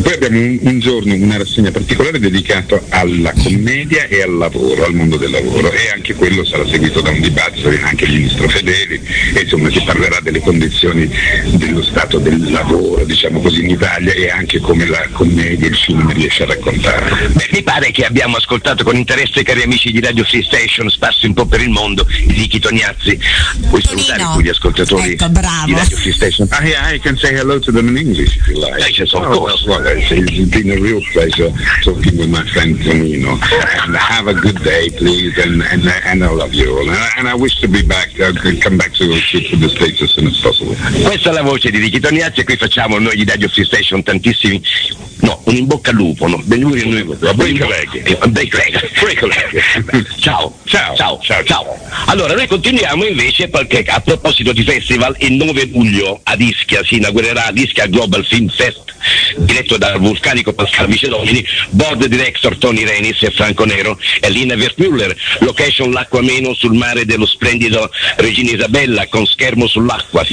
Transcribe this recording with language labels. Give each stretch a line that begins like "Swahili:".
Italian: Poi abbiamo un giorno una rassegna particolare dedicata alla commedia e al lavoro, al mondo del lavoro, e anche quello sarà seguito da un dibattito, viene anche il ministro Fedeli, e insomma si parlerà delle condizioni dello stato del lavoro, diciamo così, in Italia, e anche come la commedia e il film riesce a raccontarlo. Beh, mi pare che abbiamo ascoltato con interesse, cari amici di Radio Free Station, Spazio un po' per il mondo, Zichi Toniazzi. Puoi Torino. Salutare tutti gli ascoltatori, ecco, bravo, di Radio Free Station.
English: I can say hello to them in English if you like. I said, of course. Well, it's been a real pleasure talking with my friend Tonino. And have a good day, please, and I love you all. And I wish to be back, come back to the States as soon as possible.
Italian: Questa è la voce di Zichi Toniazzi, e qui facciamo noi di Radio Free Station tantissimi... No, un in bocca al lupo, no? Ben lui, noi,
English: a break leg. Break leg. Break leg.
Italian: Ciao. Ciao. Ciao. Ciao. Ciao. Allora, noi continuiamo invece, perché a proposito di festival, il 9 luglio ad Ischia si inaugurerà l'Ischia Global Film Fest, diretto dal vulcanico Pascal Micedomini, board director Tony Renis e Franco Nero, e Lina Wertmüller, location L'Acquameno sul mare dello splendido Regina Isabella, con schermo sull'acqua.